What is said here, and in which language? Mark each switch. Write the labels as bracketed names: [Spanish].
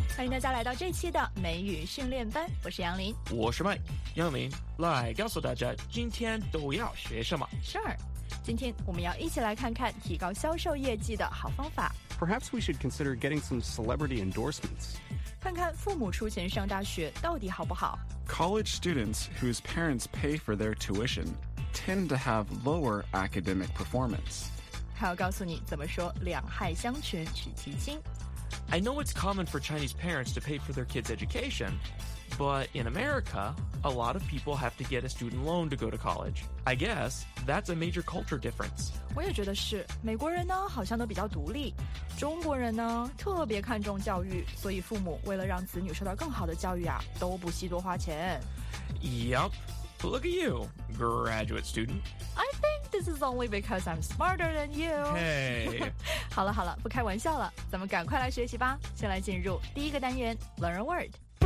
[Chinese] 大家来到这期的美语训练班，我是杨林，我是麦杨林，来告诉大家今天都要学什么。 Sure， 今天我们要一起来看看提高销售业绩的好方法。 [English] Perhaps we should consider getting some celebrity endorsements. [Chinese] 看看父母出钱上大学到底好不好。 [English] College students whose parents pay for their tuition tend to have lower academic performance. [Chinese] 还要告诉你怎么说两害相权取其轻。 [English] I know it's common for Chinese parents to pay for their kids' education, but in America, a lot of people have to get a student loan to go to college. I guess that's a major culture difference. [Chinese] 我也觉得是，美国人呢好像都比较独立，中国人呢特别看重教育，所以父母为了让子女受到更好的教育啊，都不惜多花钱。 [English] Yep, look at you, graduate student. I think this is only because I'm smarter than you. Hey. [Chinese] 好了好了，不开玩笑了，咱们赶快来学习吧。先来进入第一个单元 ， [English] Learn a word。